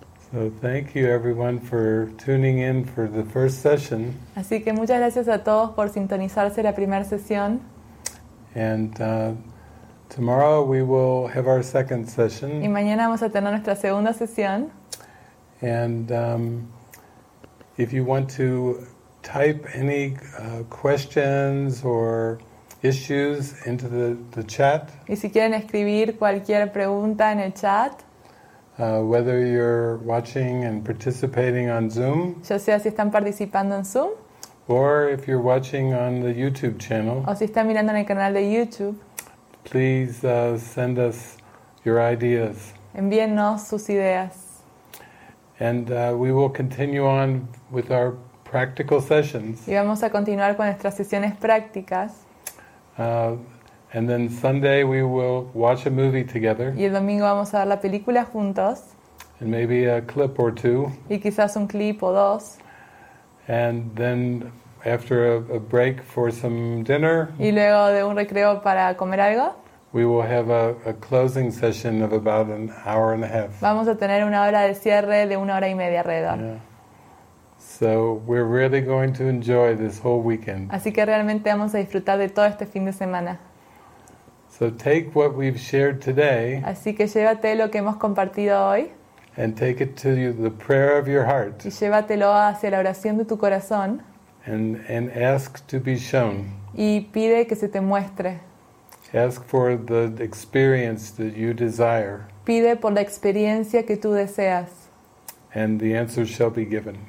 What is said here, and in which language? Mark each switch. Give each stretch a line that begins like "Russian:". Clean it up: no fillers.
English: So thank you, everyone, for tuning in for the first session.
Spanish: Así que muchas gracias a todos por sintonizarse la primera sesión.
English: And tomorrow we will have our second session.
Spanish: Y mañana vamos a tener nuestra segunda sesión.
English: And if you want to type any questions or issues into the chat.
Spanish: Y si quieren escribir cualquier pregunta en el chat.
English: Whether you're watching and participating on Zoom.
Spanish: Ya sea si están participando en Zoom.
English: Or if you're watching on the YouTube channel.
Spanish: O si están mirando en el canal de YouTube.
English: Please send us your ideas.
Spanish: Envíennos sus ideas.
English: And we will continue on with our practical sessions.
Spanish: Y vamos a continuar con nuestras sesiones prácticas.
English: And then Sunday we will watch a movie together.
Spanish: Y el domingo vamos a ver la película juntos.
English: And maybe a clip or two.
Spanish: Y quizás un clip o dos.
English: And then after a break for some dinner.
Spanish: Y luego de un recreo para comer algo.
English: We will have a closing session of about an hour and a half.
Spanish: Vamos a tener una hora de cierre de una hora y media alrededor.
English: Yeah. So we're really going to enjoy this whole weekend.
Spanish: Así que realmente vamos a disfrutar de todo este fin de semana.
English: So take what we've shared today.
Spanish: Así que llévate lo que hemos compartido hoy.
English: And take it to you, the prayer of your heart.
Spanish: Y llévatelo hacia la oración de tu corazón.
English: And ask to be shown.
Spanish: Y pide que se te muestre.
English: Ask for the experience that you desire.
Spanish: Pide por la experiencia que tú deseas.
English: And the answer shall be given.